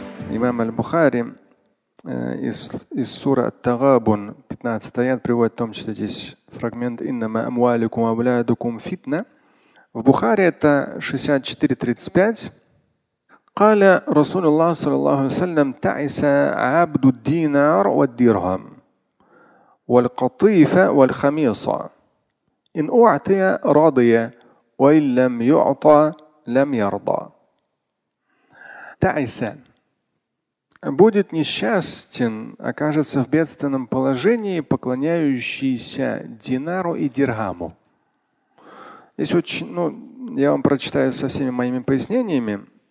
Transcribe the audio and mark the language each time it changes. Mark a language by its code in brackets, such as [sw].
[ru] Имам аль-Бухари из сура «Ат-Тагабун», 15 аят, приводит в том числе здесь фрагмент [ar] «Иннама амуаликум авлядукум фитна». [ru] В Бухари это 64-35. [ar] قال رسول الله صلى الله عليه وسلم تعس عبد الدينار والدرهم والقطيفة والخميصة إن أعطي رضي وإن لم يعطى لم يرضى. [ru] تعس будет несчастен, окажется в бедственном положении, поклоняющийся динару и дирхаму. Здесь очень, ну, я вам прочитаю со всеми моими пояснениями.